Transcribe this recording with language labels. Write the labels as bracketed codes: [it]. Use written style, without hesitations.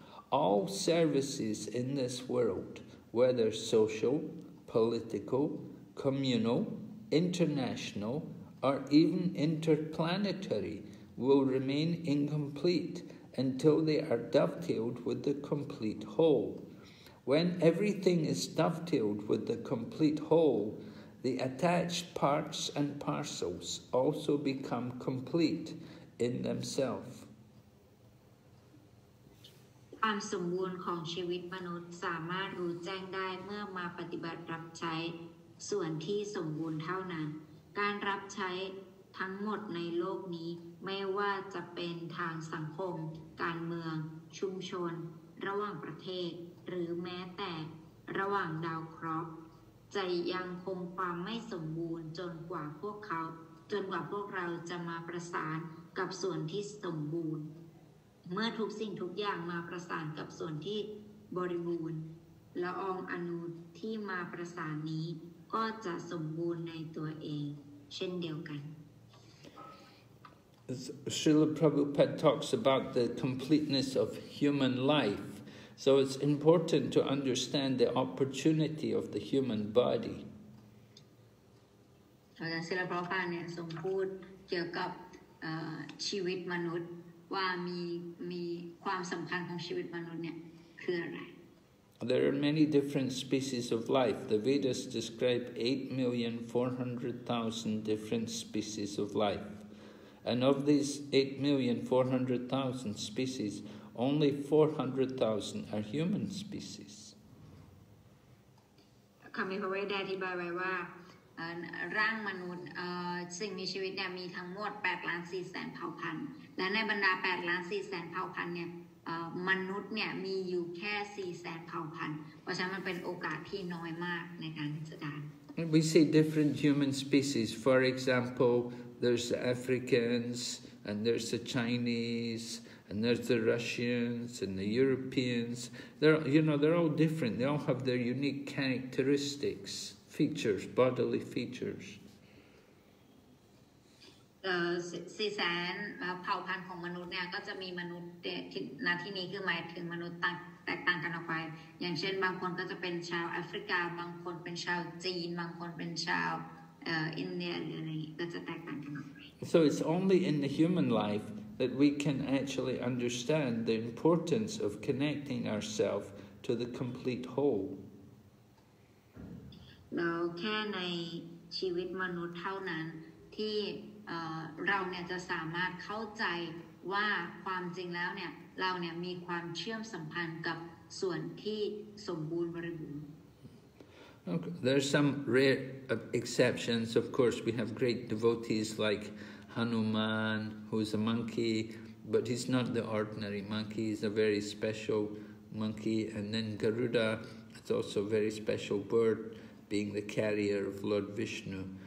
[en] All services in this world, whether social, political, communal, international, or even interplanetary, will remain incomplete until they are dovetailed with the complete whole. When everything is dovetailed with the complete whole, the attached parts and parcels also become complete in themselves. [th] ความสมบูรณ์ของชีวิตมนุษย์สามารถรู้แจ้งได้เมื่อมาปฏิบัติรับใช้ส่วนที่สมบูรณ์เท่านั้นการรับใช้ทั้งหมดในโลกนี้ไม่ว่าจะเป็นทางสังคมการเมืองชุมชนระหว่างประเทศหรือแม้แต่ระหว่างดาวเคราะห์จะยังคงความไม่สมบูรณ์จนกว่าพวก เราจะมาประสานกับส่วนที่สมบูรณ์เมื่อทุกสิ่งทุกอย่างมาประสานกับส่วนที่บริบูรณ์ละอองอนุที่มาประสานนี้ก็จะสมบูรณ์ในตัวเองเช่นเดียวกัน [en] Srila Prabhupada talks about the completeness of human life. So it's important to understand the opportunity of the human body. [th] Srila Prabhupada เนี่ยทรงพูดเกี่ยวกับชีวิตมนุษย์ว่ามีความสำคัญของชีวิตมนุษย์เนี่ยคืออะไร [en] There are many different species of life. The Vedas describe 8,400,000 different species of life. And of these 8,400,000 species, only 400,000 are human species. [th] คำมีพระเวทได้อธิบายไว้ว่าร่างมนุษย์สิ่งมีชีวิตเนี่ยมีทั้งหมด8,400,000เผ่าพันธุ์และในบรรดา8,400,000เผ่าพันธุ์เนี่ยมนุษย์เนี่ยมีอยู่แค่400,000เผ่าพันธุ์เพราะฉะนั้นมันเป็นโอกาสที่น้อยมากในการที่จะได้ [en] We see different human species. For example, there's the Africans, and there's the Chinese, and there's the Russians, and the Europeans. They're all different. They all have their unique characteristics, features, bodily features. [th] 400,000เผ่าพันธุ์ของมนุษย์เนี่ยก็จะมีมนุษย์ณที่นี้คือหมายถึงมนุษย์แตกต่างกันออกไปอย่างเช่นบางคนก็จะเป็นชาวแอฟริกาบางคนเป็นชาวจีนบางคนเป็นชาวอินเดียอะไรอย่างนี้ก็จะแตกต่างกันออกไป [en] So it's only in the human life that we can actually understand the importance of connecting ourselves to the complete whole [th] เราแค่ในชีวิตมนุษย์เท่านั้นที่เราเนี่ยจะสามารถเข้าใจว่าความจริงแล้วเนี่ยเราเนี่ยมีความเชื่อมสัมพันธ์กับส่วนที่สมบูรณ์บริบูรณ์ [en] There are some rare exceptions. Of course, we have great devotees like Hanuman, who is a monkey, but he's not the ordinary monkey. He's a very special monkey. And then Garuda is also a very special bird, being the carrier of Lord Vishnu.